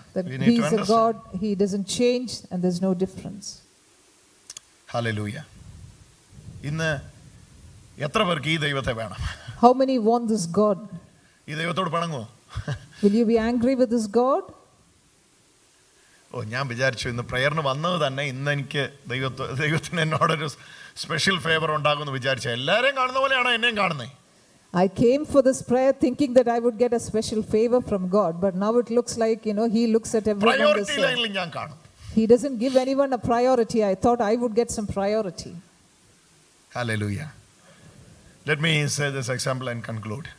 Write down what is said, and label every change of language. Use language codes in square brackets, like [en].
[en] He is a God. He doesn't change, and there's no difference. [ml] Hallelujah. ഇന്ന് എത്ര പേർക്ക് ഈ ദൈവത്തെ വേണം? [en] How many want this God? [ml] ഈ ദൈവത്തോട് പണങ്ങോ? [en] Will you be angry with this God? [ml] ഓ, ഞാൻ വിചാരിച്ചു ഇന്ന് പ്രേയറിന് വന്നത് തന്നെ ഇന്ന് എനിക്ക് ദൈവത്തിന് എന്നോടൊരു സ്പെഷ്യൽ ഫേവർ ഉണ്ടാകുമെന്ന് വിചാരിച്ചു. എല്ലാവരെയും കാണുന്ന പോലെയാണ് എന്നെയും കാണുന്നത്. [en] I came for this prayer thinking that I would get a special favor from God, but now it looks like, you know, he looks at everyone the same. [ml] Priority line ഞാൻ കാണും. [en] He doesn't give anyone a priority. I thought I would get some priority. Hallelujah. Let me say this example and conclude.